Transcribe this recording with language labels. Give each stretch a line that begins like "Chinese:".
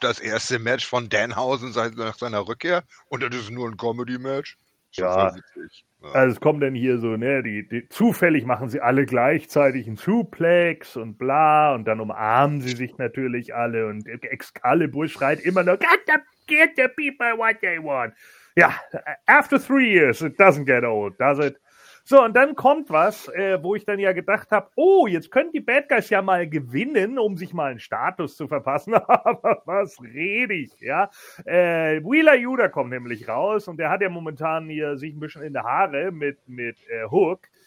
German: Das erste Match von Danhausen nach seiner Rückkehr? Und das ist nur ein Comedy-Match? Ja. Also es kommen dann hier so, ne, die zufällig machen sie alle gleichzeitig einen Suplex und bla. Und dann umarmen sie sich natürlich alle. Und Excalibur schreit immer noch,
English: get the people what they want. Ja, after 3 years, it doesn't get old, does it?
German: So, und dann kommt was, wo ich dann ja gedacht habe, oh, jetzt können die Bad Guys ja mal gewinnen, um sich mal einen Status zu verpassen. Aber was rede ich, ja? Wheeler Yuta kommt nämlich raus und der hat ja momentan hier sich ein bisschen in die Haare mit Hook.